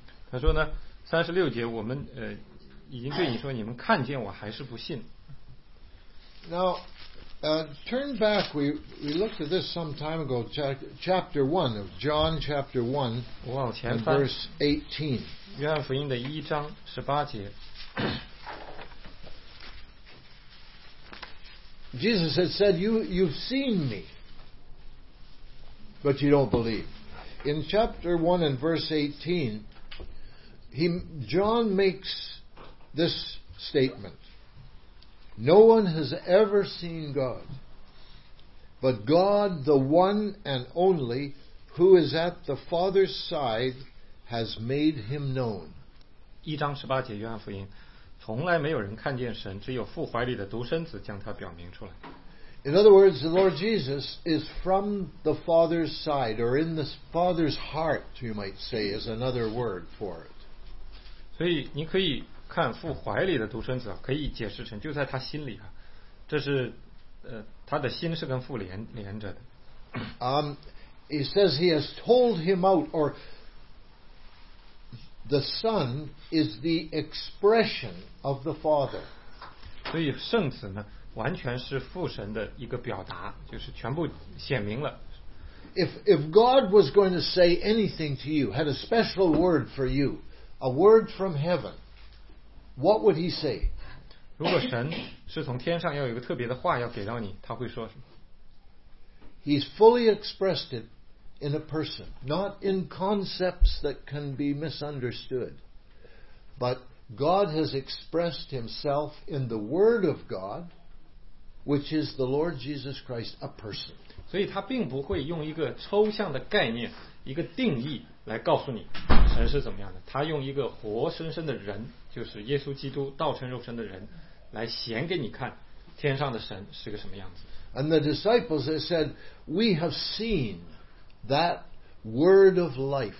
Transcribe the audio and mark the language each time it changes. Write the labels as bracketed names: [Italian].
[Chinese] 他说呢，三十六节，我们已经对你说，你们看见我还是不信。 [English] Now, turn back. We looked at this some time ago. Chapter 1 of John, chapter 1, and verse 18. [Chinese] 约翰福音的一章十八节。 [English] Jesus had said, you've seen me, but you don't believe. In chapter 1 and verse 18, John makes this statement. No one has ever seen God, but God, the one and only, who is at the Father's side, has made him known. [Chinese] 一章十八节，约翰福音。从来没有人看见神，只有父怀里的独生子将他表明出来。 [English] In other words, the Lord Jesus is from the Father's side, or in the Father's heart, you might say, is another word for it. [Chinese] 所以你可以看父怀里的独生子，可以解释成就在他心里啊，这是他的心是跟父连着的。 [English] He says he has told him out, or the Son is the expression of the Father. [Chinese] 所以圣子呢，完全是父神的一个表达，就是全部显明了。 [English] If God was going to say anything to you, had a special word for you, a word from heaven, what would he say? [Chinese] 如果神是从天上要有一个特别的话要给到你，他会说什么？ [English] He's fully expressed it in a person, not in concepts that can be misunderstood, but God has expressed himself in the Word of God, which is the Lord Jesus Christ, a person. [Chinese] 所以他并不会用一个抽象的概念，一个定义来告诉你神是怎么样的，他用一个活生生的人，就是耶稣基督道成肉身的人，来显给你看天上的神是个什么样子。 [English] And the disciples have said, we have seen that word of life.